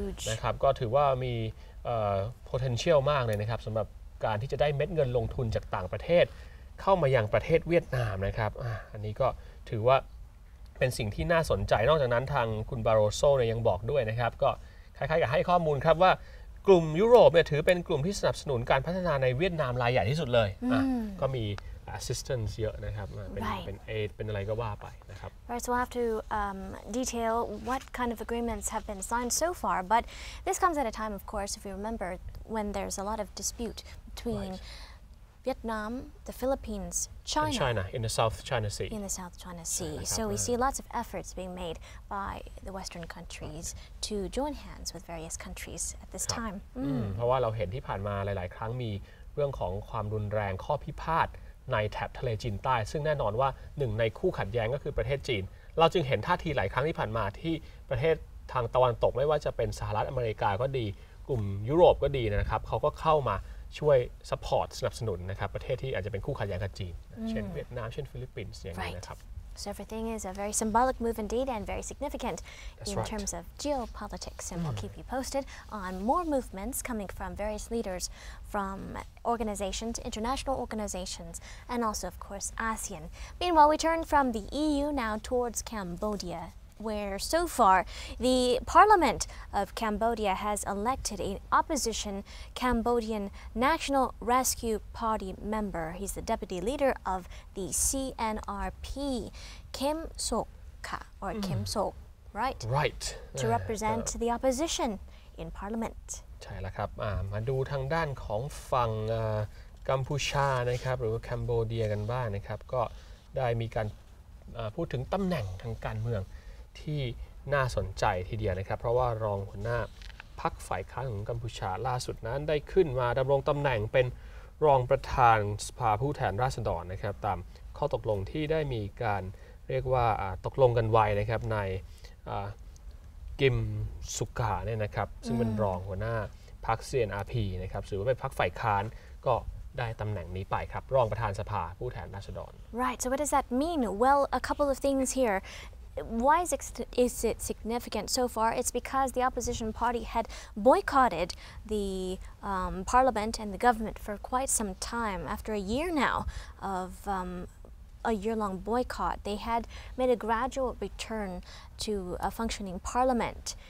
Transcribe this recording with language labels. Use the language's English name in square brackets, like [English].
[Thai] นะครับก็ถือว่ามี potential มากเลยนะครับสำหรับการที่จะได้เม็ดเงินลงทุนจากต่างประเทศเข้ามายังประเทศเวียดนามนะครับอันนี้ก็ถือว่าเป็นสิ่งที่น่าสนใจนอกจากนั้นทางคุณบาโรโซเนี่ยยังบอกด้วยนะครับก็คล้ายๆกับให้ข้อมูลครับว่ากลุ่มยุโรปเนี่ยถือเป็นกลุ่มที่สนับสนุนการพัฒนาในเวียดนามรายใหญ่ที่สุดเลยก็มี assistance เยอะนะครับเป็น aid เป็นอะไรก็ว่าไปนะครับ [English] Right, so we'll have to detail what kind of agreements have been signed so far, but this comes at a time, of course, if you remember, when there's a lot of dispute between Vietnam, the Philippines, China, in the South China Sea. So we see lots of efforts being made by the Western countries to join hands with various countries at this time. [Thai] เพราะว่าเราเห็นที่ผ่านมาหลายๆครั้งมีเรื่องของความรุนแรงข้อพิพาทในแถบทะเลจีนใต้ซึ่งแน่นอนว่าหนึ่งในคู่ขัดแย้งก็คือประเทศจีนเราจึงเห็นท่าทีหลายครั้งที่ผ่านมาที่ประเทศทางตะวันตกไม่ว่าจะเป็นสหรัฐอเมริกาก็ดีกลุ่มยุโรปก็ดีนะครับเขาก็เข้ามาช่วยซัพพอร์ตสนับสนุนนะครับประเทศที่อาจจะเป็นคู่ขัดแย้งกับจีนเช่นเวียดนามเช่นฟิลิปปินส์อย่างนี้นะครับ [English] So everything is a very symbolic move indeed and very significant in terms of geopolitics and we'll keep you posted on more movements coming from various leaders from organizations international organizations and also of course ASEAN Meanwhile we turn from the EU now towards CambodiaWhere so far, the Parliament of Cambodia has elected an opposition Cambodian National Rescue Party member. He's the deputy leader of the CNRP, Kim Sok-ha, or Kim Sok, right? Right. To represent the opposition in Parliament. [Thai] ใช่แล้วครับมาดูทางด้านของฝั่งกัมพูชานะครับหรือว่าแคมโบเดียกันบ้างนะครับก็ได้มีการพูดถึงตำแหน่งทางการเมืองที่น่าสนใจทีเดียวนะครับเพราะว่ารองหัวหน้าพรรคฝ่ายค้านของกัมพูชาล่าสุดนั้นได้ขึ้นมาดำรงตำแหน่งเป็นรองประธานสภาผู้แทนราษฎรนะครับตามข้อตกลงที่ได้มีการเรียกว่าตกลงกันไว้นะครับใน กิมสุกาเนี่ยนะครับซึ่งเป็นรองหัวหน้าพรรค CNRP นะครับถือว่าเป็นพรรคฝ่ายค้านก็ได้ตำแหน่งนี้ไปครับรองประธานสภาผู้แทนราษฎร [English] Right so what does that mean well a couple of things hereWhy is it significant so far? It's because the opposition party had boycotted the parliament and the government for quite some time. After a year now of a year-long boycott, they had made a gradual return to a functioning parliament.